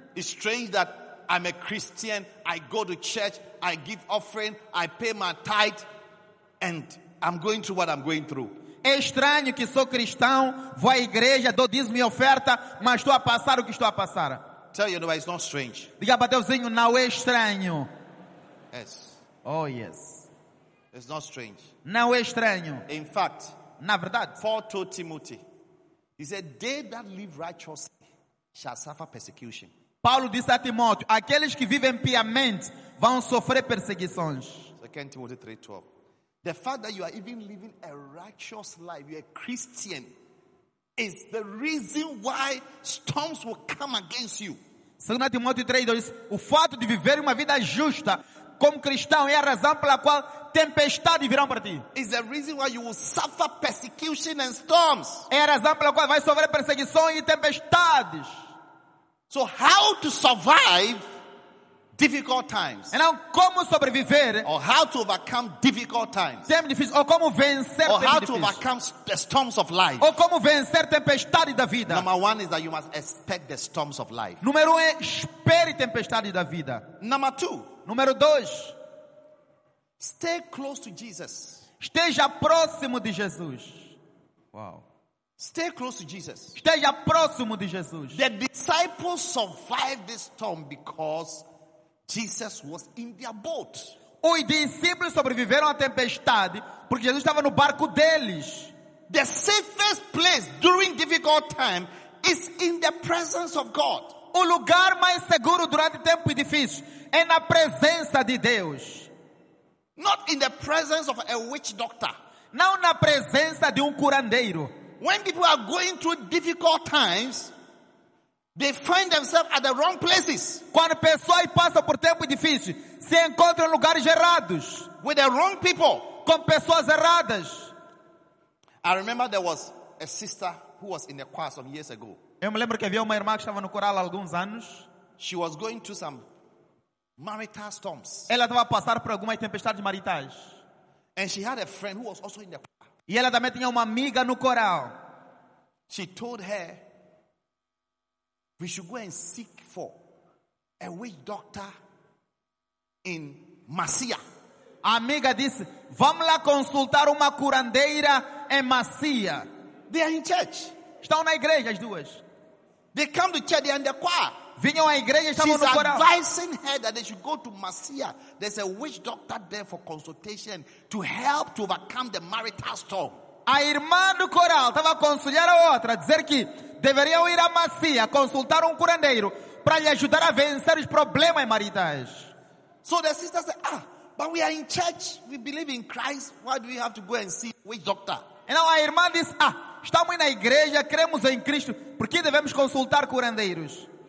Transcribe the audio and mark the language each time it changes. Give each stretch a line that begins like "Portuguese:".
English: It's strange that I'm a Christian, I go to church, I give offering, I pay my tithe, and I'm going through what I'm going through.
Portuguese: É estranho que sou cristão, vou à igreja, dou dízimo e oferta, mas estou a passar o que estou a passar.
English: Tell you, no, it's not strange.
Portuguese: Diga para Deusinho, não é estranho.
English: Yes. Oh, yes. It's not strange.
Portuguese: Não é estranho.
English: In fact,
Portuguese: na verdade,
English: Paul told Timothy, he said, they that live righteously shall suffer persecution.
Portuguese: Paulo disse a Timóteo, aqueles que vivem piamente vão sofrer perseguições. 2 Timóteo 3:12.
English: The fact that you are even living a righteous life, you are a Christian, is the reason why storms will come against you.
Portuguese: 2 Timóteo 3:2. O fato de viver uma vida justa como cristão é a razão pela qual tempestades virão para ti.
English: Is the reason why you will suffer persecution and storms.
Portuguese: É a razão pela qual vai sofrer perseguições e tempestades.
English: So how to survive difficult times? And now,
Portuguese: como sobreviver?
English: Or how to overcome difficult times?
Portuguese: Tempo difícil. Ou como vencer?
English: Or how to overcome the storms of life?
Portuguese: Ou como vencer tempestades da vida?
English: Number one is that you must expect the storms of life.
Portuguese: Número um, espere tempestades da vida.
English: Number two.
Portuguese: Número dois.
English: Stay close to Jesus.
Portuguese: Esteja próximo de Jesus.
English: Wow. Stay close to Jesus.
Portuguese: Esteja próximo de Jesus.
English: The disciples survived this storm because Jesus was in their boat.
Portuguese: Os discípulos sobreviveram à tempestade porque Jesus estava no barco deles.
English: The safest place during difficult time is in the presence of God.
Portuguese: O lugar mais seguro durante tempo difícil é na presença de Deus.
English: Not in the presence of a witch doctor.
Portuguese: Não na presença de curandeiro.
English: When people are going through difficult times, they find themselves at the wrong places.
Portuguese: Quando pessoas passam por tempo difícil, se encontram em lugares errados.
English: With the wrong people.
Portuguese: Com pessoas erradas.
English: I remember there was a sister who was in the choir some years ago.
Portuguese: Eu me lembro que havia uma irmã que estava no coral há alguns anos.
English: She was going through some marital storms.
Portuguese: Ela estava a passar por algumas tempestades maritais.
English: And she had a friend who was also in the choir.
Portuguese: E ela também tinha uma amiga no coral.
English: She told her, we should go and seek for a witch doctor in Macia.
Portuguese: A amiga disse, vamos lá consultar uma curandeira em Macia.
English: They are in church.
Portuguese: Estão na igreja as duas.
English: They come to church, they are in the choir.
Portuguese: Vinham à igreja, estavam
English: She's
Portuguese: no coral.
English: She's advising her that they should go to Macia. There's a witch doctor there for consultation to help to overcome the marital storm.
Portuguese: A irmã do coral estava a aconselhar a outra, a dizer que deveriam ir a Macia, consultar curandeiro, para lhe ajudar a vencer os problemas maritais.
English: So the sister said, ah, but we are in church, we believe in Christ, why do we have to go and see a witch doctor?
Portuguese: E now a irmã disse, ah, estamos na igreja, cremos em Cristo, por que devemos consultar curandeiros?